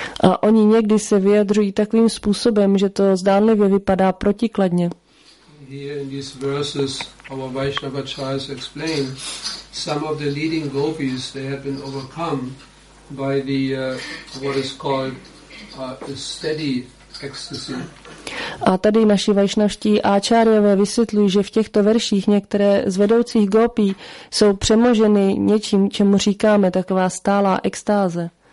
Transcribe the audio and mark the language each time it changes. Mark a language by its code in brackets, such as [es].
[cs] A oni někdy se vyjadřují takovým způsobem, že to zdánlivě vypadá protikladně. [en] Here in these verses, our Vaishnava acharyas explain some of the leading gopis, they have been overcome by the what is called steady ecstasy. [cs] A tady naši vaišnavští áčárjové vysvětlují, že v těchto verších některé z vedoucích gopí jsou přemoženy něčím, čemu říkáme taková stálá extáze.